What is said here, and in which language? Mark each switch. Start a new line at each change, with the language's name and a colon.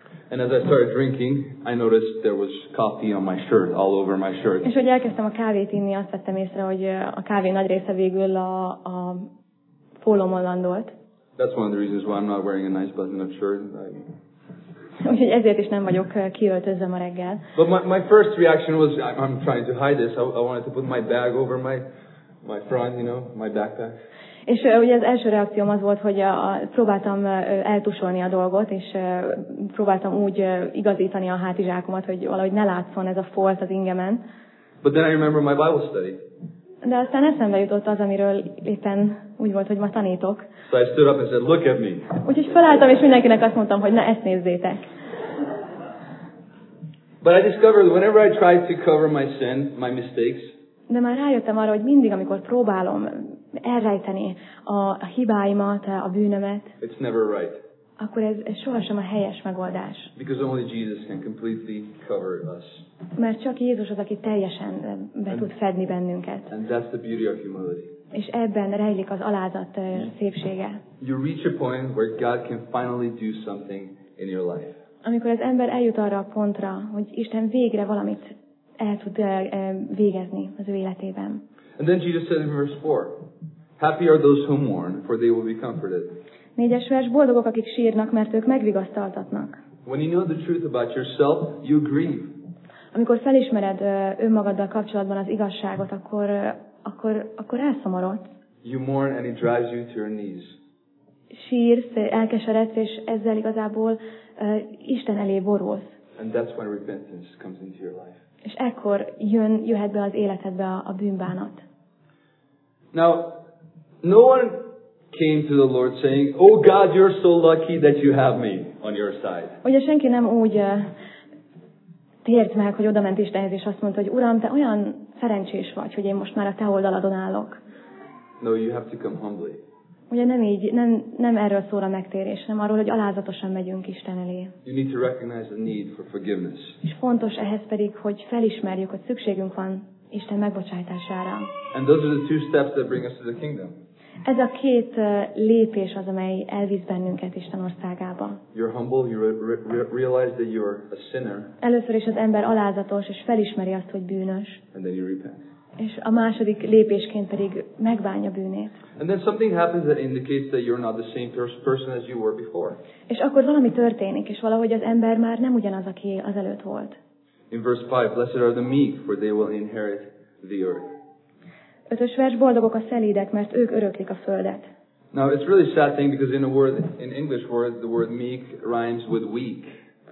English: And as I started drinking, I noticed there was coffee on my shirt, all over my shirt.
Hungarian: És hogy elkezdtem a kávét inni, azt vettem észre, hogy a kávé nagy része végül a fólomon landolt.
English: That's one of the reasons why I'm not wearing a nice button-up shirt.
Hungarian: Úgyhogy ezért is nem vagyok kiöltözve ma reggel.
English: But my first reaction was, I'm trying to hide this. I wanted to put my bag over my front, you know, my backpack.
Hungarian: És ugye az első reakcióm az volt, hogy próbáltam eltusolni a dolgot, és próbáltam úgy igazítani a hátizsákomat, hogy valahogy ne látszon ez a folt az ingemen.
English: But then I remember my Bible study.
Hungarian: De aztán eszembe jutott az, amiről éppen úgy volt, hogy ma tanítok.
English: So I stood up and said, look at me.
Hungarian: Úgyhogy felálltam, és mindenkinek azt mondtam, hogy na, ezt nézzétek.
English: But I discovered whenever I tried to cover my sin, my mistakes.
Hungarian: De már rájöttem arra, hogy mindig, amikor próbálom elrejteni a hibáimat, a bűnömet,
English: it's never right.
Hungarian: Akkor ez sohasem a helyes megoldás.
English: Because only Jesus can completely cover us.
Hungarian: Mert csak Jézus az, aki teljesen be tud fedni bennünket.
English: And that's the beauty of humility.
Hungarian: És ebben rejlik az alázat szépsége.
English: You reach a point where God can finally do something in your life.
Hungarian: Amikor az ember eljut arra a pontra, hogy Isten végre valamit el tud végezni az ő életében.
English: And then Jesus said in verse 4, happy are those who mourn, for they will be comforted.
Hungarian: 4. vers, boldogok, akik sírnak, mert ők megvigasztaltatnak.
English: When you know the truth about yourself, you grieve.
Hungarian: Amikor felismered önmagaddal kapcsolatban az igazságot, akkor elszomorodsz.
English: You mourn and it drives you to your knees.
Hungarian: Sírsz, elkeseredsz, és ezzel igazából Isten elé borulsz.
English: And that's when repentance comes into your life.
Hungarian: És ekkor jöhet be az életedbe a bűnbánat.
English: Now, no one came to the Lord saying, oh God, you're so lucky that you have me on your side.
Hungarian: Ugye senki nem úgy tért meg, hogy oda ment Istenhez, és azt mondta, hogy Uram, te olyan szerencsés vagy, hogy én most már a te oldaladon állok.
English: No, you have to come humbly.
Hungarian: Ugye nem így, nem erről szól a megtérés, hanem arról, hogy alázatosan megyünk Isten elé.
English: You need to recognize the need for forgiveness.
Hungarian: És fontos ehhez pedig, hogy felismerjük, hogy szükségünk van Isten megbocsájtására.
English: And those are the two steps that bring us to the kingdom.
Hungarian: Ez a két lépés az, amely elvisz bennünket Isten országába.
English: You're humble, you realize that you're a sinner.
Hungarian: Először is az ember alázatos, és felismeri azt, hogy bűnös.
English: And then you repent.
Hungarian: És a második lépésként pedig megbánja bűnét.
English: And then something happens that indicates that you're not the same person as you were before.
Hungarian: És akkor valami történik, és valahogy az ember már nem ugyanaz, aki az előtt volt.
English: In verse 5, blessed are the meek, for they will inherit the earth.
Hungarian: 5. vers, boldogok a szelídek, mert ők öröklik a földet.
English: Now it's really a sad thing because in English word, the word meek rhymes with weak.